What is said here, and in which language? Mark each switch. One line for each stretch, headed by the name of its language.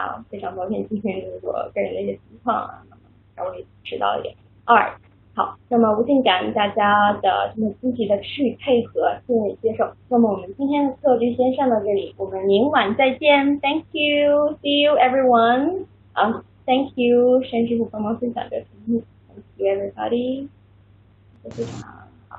Chinese: 非常抱歉今天如果个人的一些情况稍微迟到一点。
English: All right.
Chinese: 好，那么无尽感恩大家的这么积极的持续配合，谢谢接受。那么我们今天的课就先上到这里，我们明晚再见。
English: Thank you, see you everyone. Thank you,
Chinese: 山师傅帮忙分享的题目。
English: Thank you everybody.
Chinese: 谢谢。